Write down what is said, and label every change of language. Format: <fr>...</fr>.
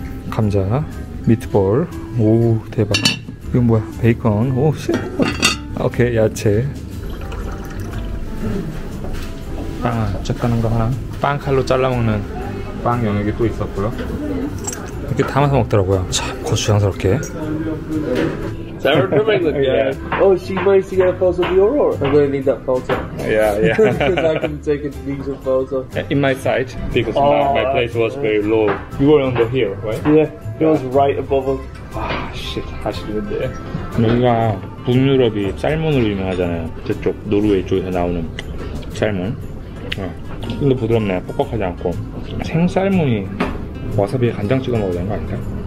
<ko>감자, 미트볼, 오, 대박. 이건 뭐야? 베이컨, 오, 씨. 오케이, 야채. 빵, 쫙가는 거 하나. 빵 칼로 잘라먹는 빵 영역이 또 있었고요. 이렇게 담아서 먹더라고요. 참, 고추장스럽게.</ko> <en>Yeah. Oh, she managed to get a photo of the aurora. I'm going to need that photo. Yeah. Because I can take a decent photo. In my sight, because my place was very low. You were on the hill, right? Yeah. It was right above us. Ah, shit. I should have been there.</en> <ko>뭔가 북유럽이 살몬으로 유명하잖아요. 저쪽 노르웨이 쪽에서 나오는 살몬. 근데 부드럽네. 뻑뻑하지 않고. 생살몬이 와사비에 간장 찍어 먹어야 되는 거 아닌가?</ko>